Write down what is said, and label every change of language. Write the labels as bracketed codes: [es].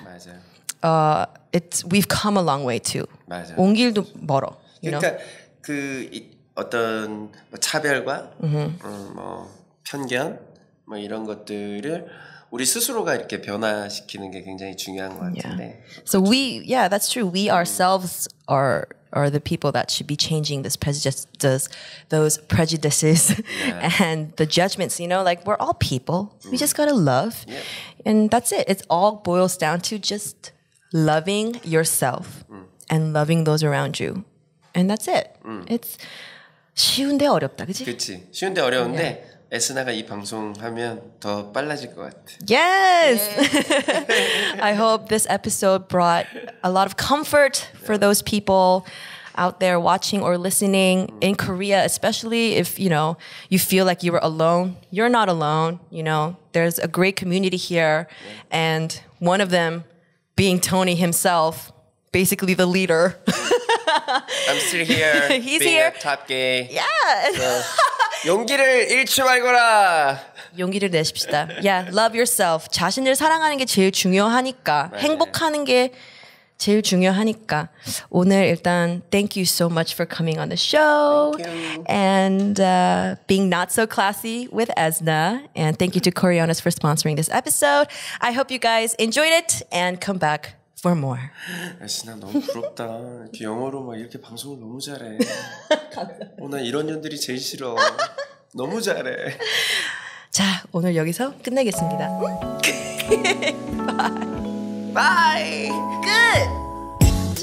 [ko] 맞아요. [en] We've come a long way too. [ko] 맞아요. 온 길도 멀어. You 그러니까 [en] know? [ko] 그 어떤 차별과 뭐 편견 뭐 이런 것들을 우리 스스로가 이렇게 변화시키는 게 굉장히 중요한 것 같은데. [en] Yeah. So we, yeah, that's true. We ourselves are the people that should be changing this prejudices, those prejudices yeah. and the judgments. You know, like we're all people. We just gotta love, yeah. and that's it. It all boils down to just loving yourself and loving those around you, and that's it. It's [ko] 쉬운데 어렵다, 그치? 그치. 쉬운데 어려운데. [en] Yeah. [ko] 에스나가 이 방송하면 더 빨라질 것 같아. [en] Yes! I hope this episode brought a lot of comfort for yeah. those people out there watching or listening in Korea, especially if, you know, you feel like you were alone. You're not alone, you know. There's a great community here, yeah. and one of them being Tony himself, basically the leader. I'm still here. He's being here. A top gay. Yeah! So. [ko] 용기를 잃지 말거라. 용기를 내십시다. [en] Yeah, love yourself. [ko] 자신을 사랑하는 게 제일 중요하니까. 네. 행복하는 게 제일 중요하니까. 오늘 일단 [en] thank you so much for coming on the show. Thank you. And being not so classy with Esna. And thank you to Koreonis for sponsoring this episode. I hope you guys enjoyed it and come back for more. [ko] 에스나 너무 부럽다. 그 영어로 막 이렇게 방송을 너무 잘해. 감사합니다. 어, 나 이런 년들이 제일 싫어. 너무 잘해. 자, 오늘 여기서 끝내겠습니다. [en] Bye. Bye. Good.